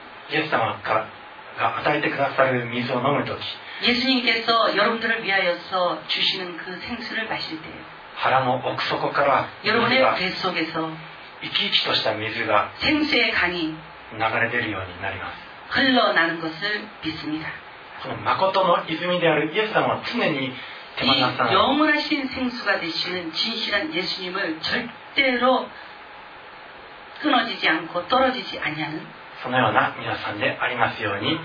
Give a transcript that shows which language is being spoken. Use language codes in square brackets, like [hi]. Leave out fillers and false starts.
[ja] イエス様が与えてくださる水を飲むとき [ko] 예수님께서여러분들을위하여서주시는그생수를마실때 [ja] 腹の奥底から [ko] 여러분의배속에서 [ja] 生き生きとした水が [ko] 생수의강이 [ja] 流れ出るようになります [ko] 흘러나는것을믿습니다 [ja] この誠の泉であるイエス様は常に手放さない [ko] 이영원하신생수가되시는진실한예수님을절대로끊어지지않고떨어지지아니하는 [ja] そのような皆さんでありますように